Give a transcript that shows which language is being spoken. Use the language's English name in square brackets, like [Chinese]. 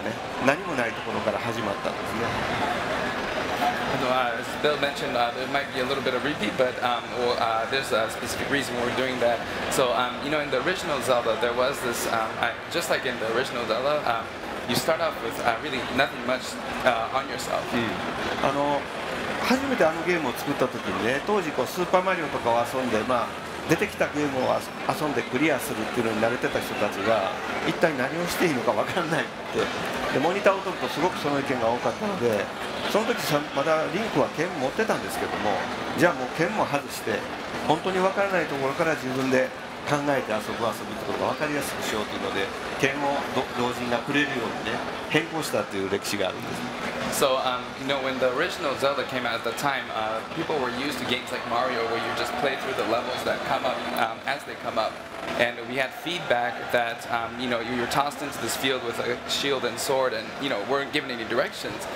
[Japanese] まず、今日ね、世界中でこの中継を見てもらってる人たちは経験することできないですからね。まあ、朝と同じように同じようなシーンを何度も見てもらうことになるかもわかんないですけども、まあ、今言ったように本当に裸で始まります。で、最初のゼルダもね、何もないところから始まったんですね。 [English] As Bill mentioned, it might be a little bit of repeat, but there's a specific reason we're doing that. So, you know, in the original Zelda, there was this, just like in the original Zelda, you start off with really nothing much on yourself. [Japanese] あの、初めてあのゲームを作った時にね、当時こうスーパーマリオとかを遊んで、まあ、出てきたゲームを遊んでクリアするっていうのに慣れてた人たちが、一体何をしていいのか分かんないって。で、モニターを撮るとすごくその意見が多かったので、 その時まだリンクは剣持ってたんですけども、じゃあもう剣も外して、本当に分からないところから自分で考えて遊ぶ遊びってことが分かりやすくしようというので、剣を同時にくれるようにね、変更したっていう歴史があるんです。 [English] So, you know, when the original Zelda came out at the time, people were used to games like Mario where you just play through the levels that come up as they come up. And we had feedback that, you know, you were tossed into this field with a shield and sword and, you know, weren't given any directions.